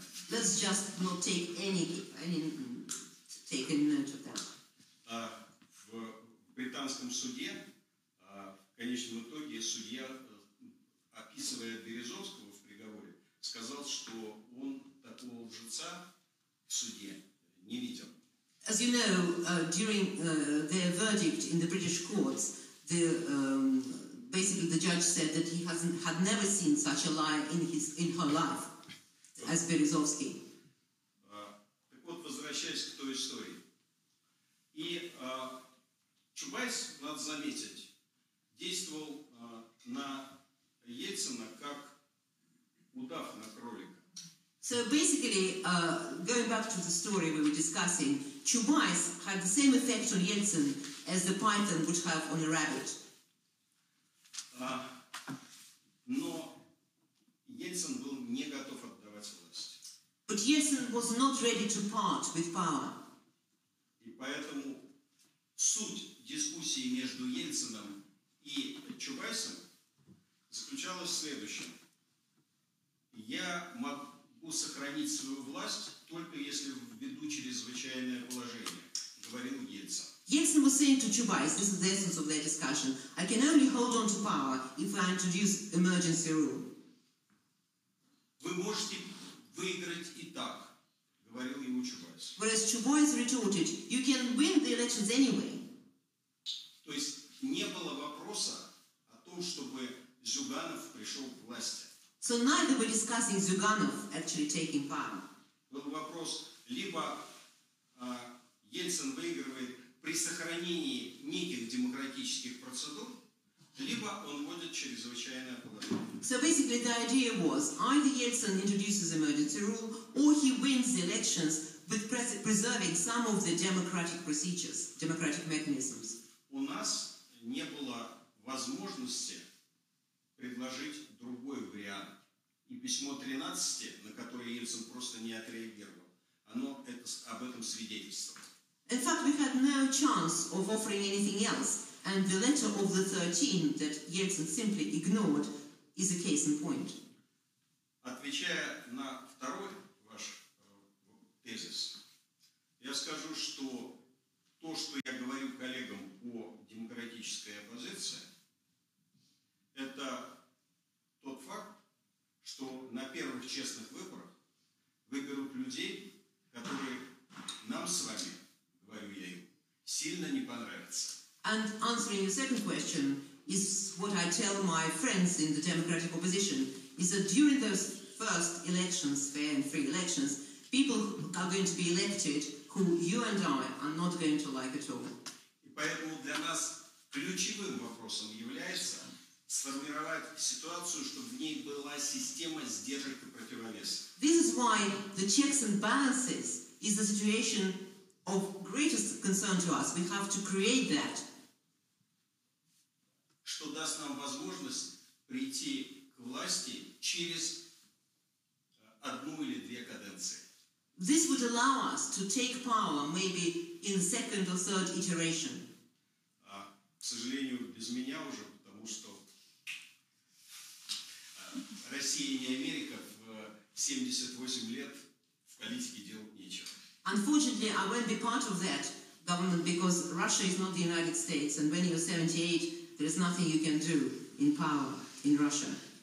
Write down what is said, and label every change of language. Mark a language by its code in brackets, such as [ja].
[en] Let's just not take any note of that. [ru] В британском суде, в конечном итоге судья, описывая Березовского в приговоре, сказал, что он такого лжеца в суде не видел. [en] As you know, during their verdict in the British courts, basically the judge said that he had never seen such a liar in her life. As Березовский. [ru] Так вот, возвращаясь к той истории. И Чубайс, надо заметить, действовал на Ельцина как удав на кролика. [en] So basically, going back to the story we were discussing, Чубайс had the same effect on Yeltsin as the python would have on a rabbit. [ru] Но Ельцин был не готов отдать. [en] But Yeltsin was not ready to part with power. [ru] И поэтому суть дискуссии между Ельцином и Чубайсом заключалась в следующем. Я могу сохранить свою власть только если введу чрезвычайное положение, говорил Ельцин. [en] Yeltsin was saying to Chubais, this is the essence of their discussion, I can only hold on to power if I introduce emergency rule. [ru] Вы можете выиграть и так, говорил ему Чубайс. [en] Whereas Chubais retorted, you can win the elections anyway. [ru] То есть не было вопроса о том, чтобы Зюганов пришел к власти. [en] So neither were discussing Zyuganov actually taking power. [ru] Был вопрос, либо Ельцин выигрывает при сохранении неких демократических процедур, либо он вводит чрезвычайное положение. [en] So basically the idea was, either Yeltsin introduces emergency rule, or he wins the elections with preserving some of the democratic procedures, democratic mechanisms. [ru] У нас не было возможности предложить другой вариант. И письмо 13, на которое Ельцин просто не отреагировал, оно это, об этом свидетельствовало. [en] In fact, we had no chance of offering anything else. And the letter of the 13 that Yeltsin simply ignored is a case in point. [ru] Отвечая на второй ваш тезис, я скажу, что то, что я говорю коллегам о демократической оппозиции, это тот факт, что на первых честных выборах выберут людей, которые нам с вами, говорю я им, сильно не понравятся. [en] And answering your second question, is what I tell my friends in the democratic opposition, is that during those first elections, fair and free elections, people are going to be elected who you and I are not going to like at all. [ru] И поэтому для нас ключевым вопросом является сформировать ситуацию, чтобы в ней была система сдержек и противовесов. [en] This is why the checks and balances is the situation of greatest concern to us. We have to create that. [ru] Что даст нам возможность прийти к власти через одну или две каденции. [en] This would allow us to take power maybe in second or third iteration. [ru] К сожалению, без меня уже, потому что Россия не Америка, в 78 лет в политике делать нечего. [en] Unfortunately, I won't be part of that government because Russia is not the United States, and when you're 78, there is nothing you can do in power in Russia.